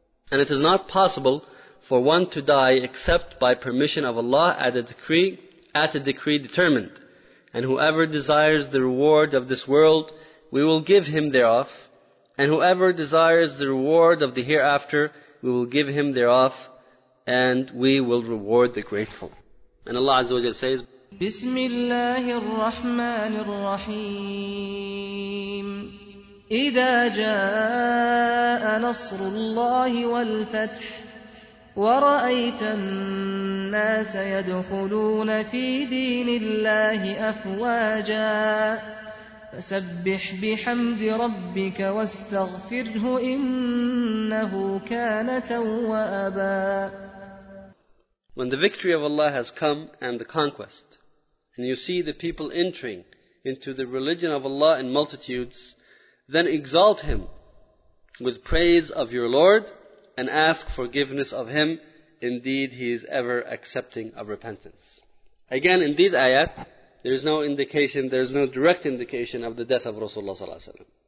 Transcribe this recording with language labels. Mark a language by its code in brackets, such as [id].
[en] And it is not possible for one to die except by permission of Allah at a decree determined. And whoever desires the reward of this world, we will give him thereof. And whoever desires the reward of the hereafter, we will give him thereof. And we will reward the grateful. And Allah Azza wa Jalla says, [ar] بسم الله الرحمن الرحيم إذا جاء نصر الله والفتح ورأيت الناس يدخلون في دين الله أفواجا فسبح بحمد ربك واستغفره إنه كان توابا. [en] When the victory of Allah has come and the conquest, and you see the people entering into the religion of Allah in multitudes, then exalt Him with praise of your Lord and ask forgiveness of Him. Indeed, He is ever accepting of repentance. Again, in these ayat, there is no direct indication of the death of Rasulullah sallallahu alaihi wasallam.